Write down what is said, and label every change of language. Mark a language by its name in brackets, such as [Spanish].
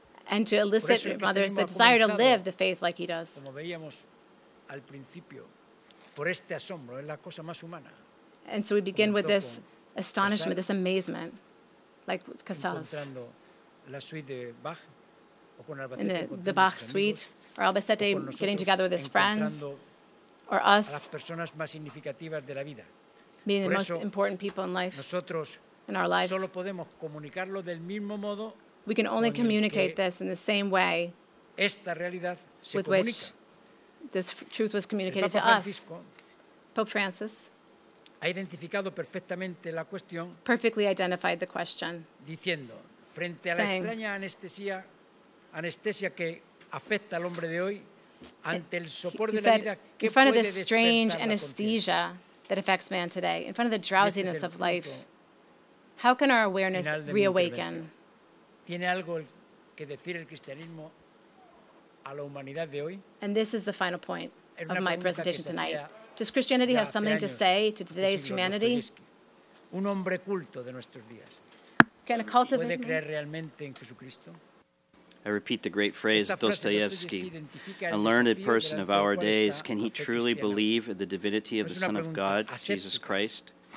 [English] and to elicit, rather, the desire to live the faith like he does. [Spanish] Como veíamos al principio, por este asombro, es la cosa más humana. [English] And so we begin with this astonishment, this amazement, like with Casals. [Spanish] La suite de Bach, o con Albacete, [English] in the Bach suite, or Albacete getting together with his friends, or us, [Spanish] a las personas más significativas de la vida. [English] Meeting the most important people in life, [Spanish] nosotros [English] in our lives. [Spanish] Solo podemos comunicarlo del mismo modo, [English] we can only communicate this in the same way [Spanish] esta realidad se [English] with [Spanish] comunica. [English] Which this truth was communicated to us. Pope Francis [Spanish] ha identificado perfectamente la cuestión, [English] perfectly identified the question, [Spanish] diciendo, frente a la extraña anestesia que afecta al hombre de hoy, ante el sopor de la vida, [English] in front of this strange anesthesia that affects man today, in front of the drowsiness of life, how can our awareness reawaken? [Spanish] ¿Tiene algo que decir el cristianismo a la humanidad de hoy? [English] And this is the final point of my presentation tonight. Does Christianity have something to say to today's humanity? [Spanish] Un hombre culto de nuestros días. [English] Can a cultivate? I repeat the great phrase of Dostoevsky, a learned person of our days, can he truly believe the divinity of the Son of God, Jesus Christ?